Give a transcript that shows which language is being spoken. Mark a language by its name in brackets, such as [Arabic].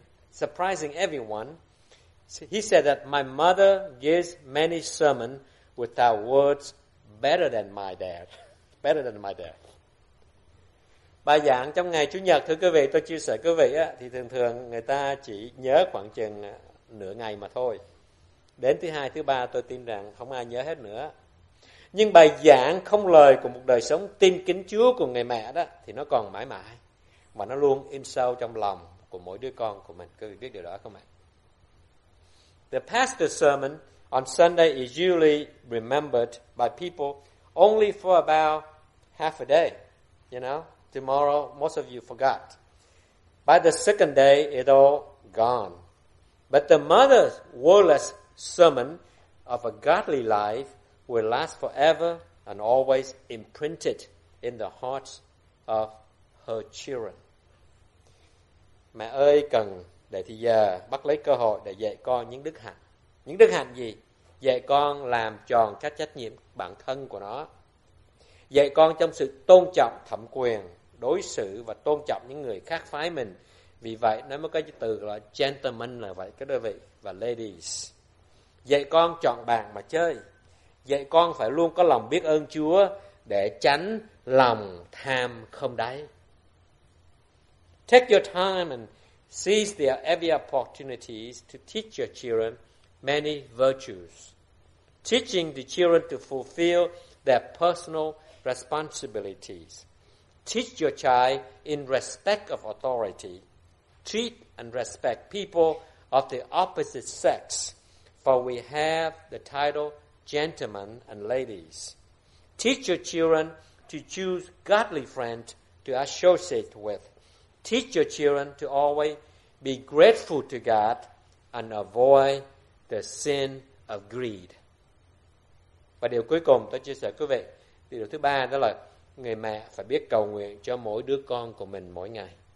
[English] Surprising everyone, he said that my mother gives many sermons without words better than my dad. [Vietnamese] Bài giảng trong ngày Chủ nhật, thưa quý vị, tôi chia sẻ quý vị á, thì thường thường người ta chỉ nhớ khoảng chừng nửa ngày mà thôi. Đến thứ hai, thứ ba, tôi tin rằng không ai nhớ hết nữa. Nhưng bài giảng không lời của một đời sống tin kính Chúa của người mẹ đó, thì nó còn mãi mãi. Và nó luôn in sâu trong lòng của mỗi đứa con của mình. Quý vị biết điều đó không ạ? [English] The pastor's sermon on Sunday is usually remembered by people only for about half a day, you know? Tomorrow, most of you forgot. By the second day, it all gone. But the mother's wordless sermon of a godly life will last forever and always imprinted in the hearts of her children. [Vietnamese] Mẹ ơi, cần để thì giờ bắt lấy cơ hội để dạy con những đức hạnh. Những đức hạnh gì? Dạy con làm tròn các trách nhiệm bản thân của nó. Dạy con trong sự tôn trọng thẩm quyền, đối xử và tôn trọng những người khác phái mình. Vì vậy, nó mới có cái từ gọi gentleman là vậy, các đơn vị và ladies. Dạy con chọn bạn mà chơi. Dạy con phải luôn có lòng biết ơn Chúa để tránh lòng tham không đáy. [English] Take your time and seize the every opportunities to teach your children many virtues. Teaching the children to fulfill their personal responsibilities. Teach your child in respect of authority. Treat and respect people of the opposite sex, for we have the title gentlemen and ladies. Teach your children to choose godly friends to associate with. Teach your children to always be grateful to God and avoid the sin of greed. [Vietnamese] Và điều cuối cùng tôi chia sẻ quý vị, điều thứ ba đó là người mẹ phải biết cầu nguyện cho mỗi đứa con của mình mỗi ngày.